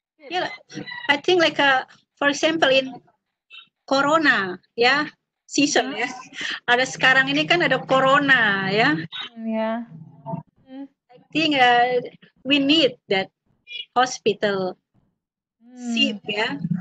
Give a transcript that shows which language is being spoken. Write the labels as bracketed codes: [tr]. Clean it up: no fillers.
[en] Yeah, I think like a for example in corona, ya. Season, ya. [id] Ada sekarang ini kan ada corona, ya. Ya. Yeah. [en] I think we need that hospital ship, ya.